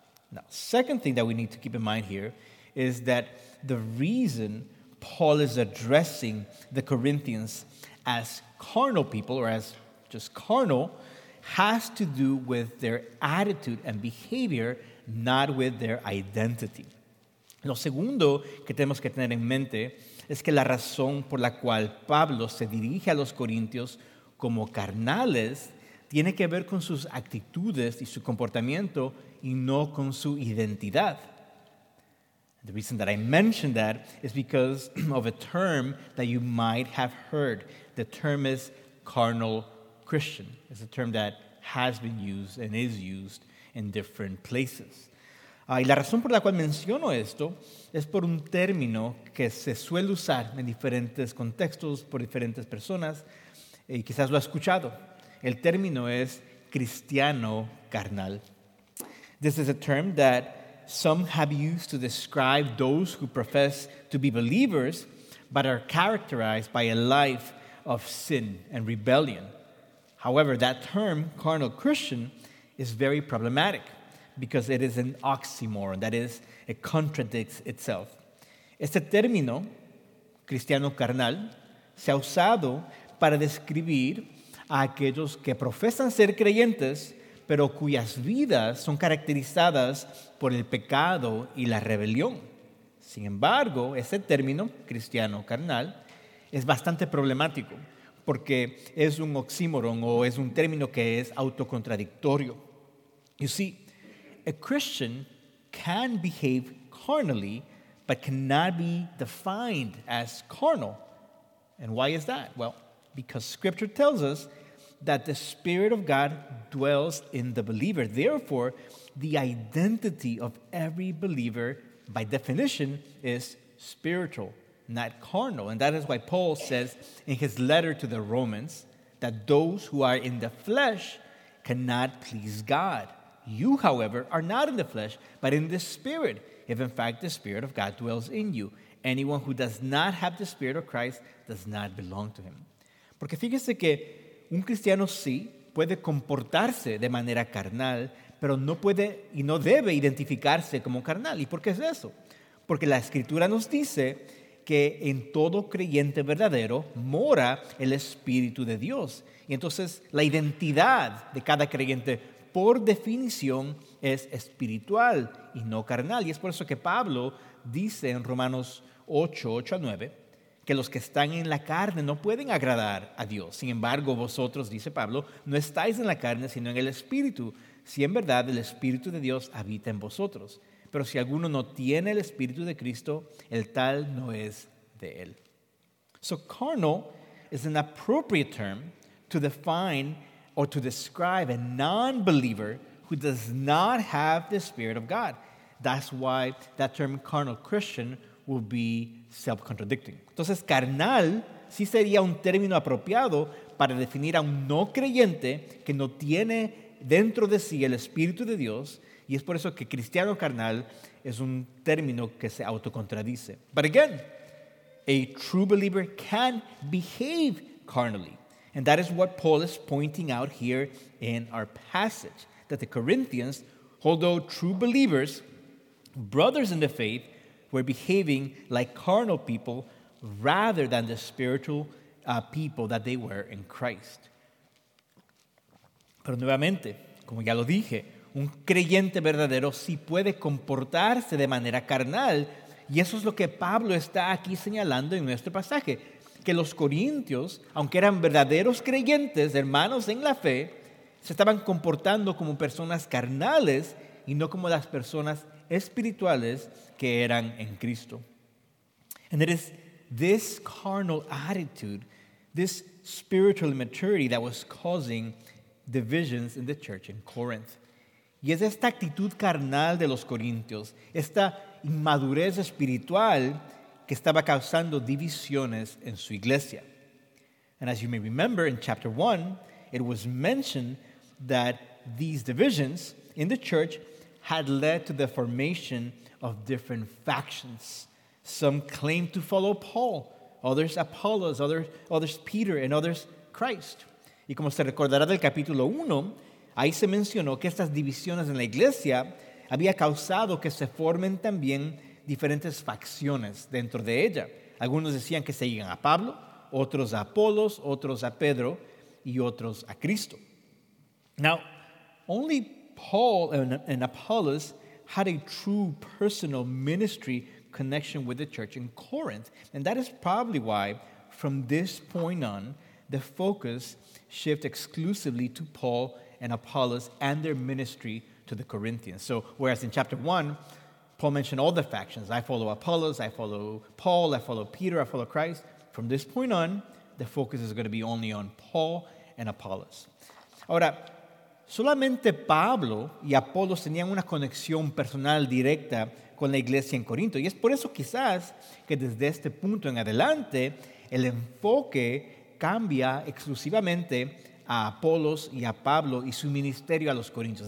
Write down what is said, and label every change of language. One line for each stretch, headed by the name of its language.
English: Now, second thing that we need to keep in mind here is that the reason Paul is addressing the Corinthians as carnal people or as just carnal has to do with their attitude and behavior, not with their identity.
Spanish: Lo segundo que tenemos que tener en mente es que la razón por la cual Pablo se dirige a los corintios como carnales tiene que ver con sus actitudes y su comportamiento y no con su identidad.
English: The reason that I mention that is because of a term that you might have heard. The term is carnal Christian. It's a term that has been used and is used in different places.
Spanish: Y la razón por la cual menciono esto es por un término que se suele usar en diferentes contextos por diferentes personas y quizás lo ha escuchado. El término es cristiano carnal.
English: This is a term that some have used to describe those who profess to be believers but are characterized by a life of sin and rebellion. However, that term, carnal Christian, is very problematic because it is an oxymoron, that is, it contradicts itself.
Spanish: Este término, cristiano carnal, se ha usado para describir a aquellos que profesan ser creyentes, pero cuyas vidas son caracterizadas por el pecado y la rebelión. Sin embargo, este término, cristiano carnal, es bastante problemático, porque es un oxímoron o es un término que es autocontradictorio.
English: You see, a Christian can behave carnally, but cannot be defined as carnal. And why is that? Well, because Scripture tells us that the Spirit of God dwells in the believer. Therefore, the identity of every believer, by definition, is spiritual, not carnal. And that is why Paul says in his letter to the Romans that those who are in the flesh cannot please God. You, however, are not in the flesh, but in the Spirit, if in fact the Spirit of God dwells in you. Anyone who does not have the Spirit of Christ does not belong to him.
Spanish: Porque fíjese que un cristiano sí puede comportarse de manera carnal, pero no puede y no debe identificarse como carnal. ¿Y por qué es eso? Porque la Escritura nos dice que en todo creyente verdadero mora el Espíritu de Dios. Y entonces la identidad de cada creyente, por definición, es espiritual y no carnal. Y es por eso que Pablo dice en Romanos 8:8-9, que los que están en la carne no pueden agradar a Dios. Sin embargo, vosotros, dice Pablo, no estáis en la carne, sino en el Espíritu, si en verdad el Espíritu de Dios habita en vosotros. Pero si alguno no tiene el Espíritu de Cristo, el tal no es de él.
English: So carnal is an appropriate term to define or to describe a non-believer who does not have the Spirit of God. That's why that term carnal Christian will be self-contradicting.
Spanish: Entonces, carnal sí sería un término apropiado para definir a un no creyente que no tiene dentro de sí el Espíritu de Dios, y es por eso que cristiano carnal es un término que se autocontradice.
English: But again, a true believer can behave carnally, and that is what Paul is pointing out here in our passage, that the Corinthians, although true believers, brothers in the faith, were behaving like carnal people rather than the spiritual people that they were in Christ.
Spanish: Pero nuevamente, como ya lo dije, un creyente verdadero sí puede comportarse de manera carnal, y eso es lo que Pablo está aquí señalando en nuestro pasaje, que los corintios, aunque eran verdaderos creyentes, hermanos en la fe, se estaban comportando como personas carnales y no como las personas espirituales que eran en Cristo.
English: And it is this carnal attitude, this spiritual immaturity that was causing divisions in the church in Corinth.
Spanish: Y es esta actitud carnal de los corintios, esta inmadurez espiritual que estaba causando divisiones en su iglesia.
English: And as you may remember, in chapter 1, it was mentioned that these divisions in the church had led to the formation of different factions. Some claimed to follow Paul, others Apollos, others Peter, and others Christ.
Spanish: Y como se recordará del capítulo 1, ahí se mencionó que estas divisiones en la iglesia había causado que se formen también diferentes facciones dentro de ella. Algunos decían que seguían a Pablo, otros a Apolos, otros a Pedro, y otros a Cristo.
English: Now, only Paul and Apollos had a true personal ministry connection with the church in Corinth. And that is probably why, from this point on, the focus shifted exclusively to Paul and Apollos and their ministry to the Corinthians. So, whereas in chapter 1, Paul mentioned all the factions, I follow Apollos, I follow Paul, I follow Peter, I follow Christ, from this point on, the focus is going to be only on Paul and Apollos.
Spanish: Ahora, solamente Pablo y Apolos tenían una conexión personal directa con la iglesia en Corinto. Y es por eso quizás que desde este punto en adelante el enfoque cambia exclusivamente a Apolos y a Pablo y su ministerio a los corintios.